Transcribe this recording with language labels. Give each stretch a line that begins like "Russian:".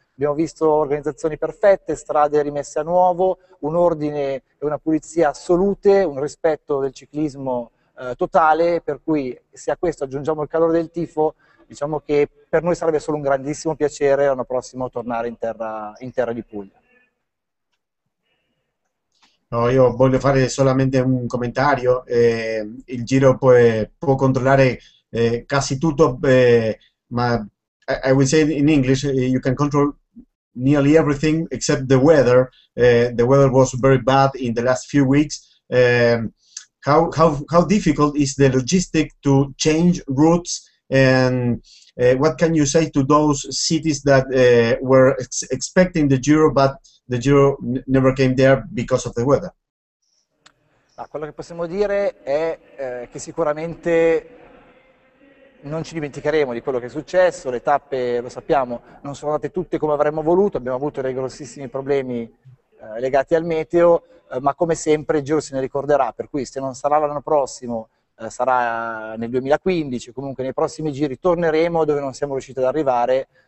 Italian: Abbiamo visto organizzazioni perfette, strade rimesse a nuovo, un ordine e una pulizia assolute, un rispetto del ciclismo totale, per cui se a questo aggiungiamo il calore del tifo, diciamo che per noi sarebbe solo un grandissimo piacere l'anno prossimo tornare in terra di Puglia. No, io voglio fare solamente un commentario. Il Giro può controllare quasi tutto, ma
English: I would say in English, you can control nearly everything except the weather. The weather was very bad in the last few weeks. How difficult is the logistic to change routes? And what can you say to those cities that were expecting the Giro, but the Giro never came there because of the weather?
Italian: Ma quello che possiamo dire è che sicuramente non ci dimenticheremo di quello che è successo, le tappe, lo sappiamo, non sono andate tutte come avremmo voluto, abbiamo avuto dei grossissimi problemi legati al meteo, ma come sempre il Giro se ne ricorderà, per cui se non sarà l'anno prossimo, sarà nel 2015, comunque nei prossimi giri torneremo dove non siamo riusciti ad arrivare